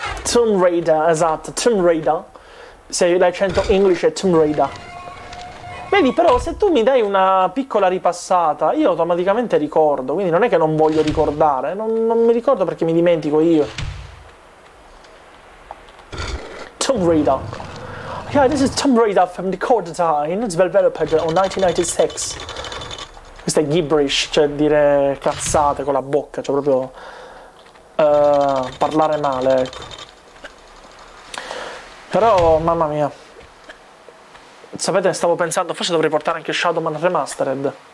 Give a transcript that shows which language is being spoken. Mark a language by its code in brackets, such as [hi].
[it] Tomb Raider, esatto, Tomb Raider. Se l'accento English è Tomb Raider. Vedi, però, se tu mi dai una piccola ripassata, io automaticamente ricordo. Quindi non è che non voglio ricordare, non mi ricordo perché mi dimentico io. Tomb Raider. [en] Yeah, this is Tomb Raider from the core design, developed on 1996. [it] Questo è gibberish, cioè dire cazzate con la bocca, cioè proprio parlare male. Però, mamma mia. Sapete, stavo pensando, forse dovrei portare anche Shadowman Remastered.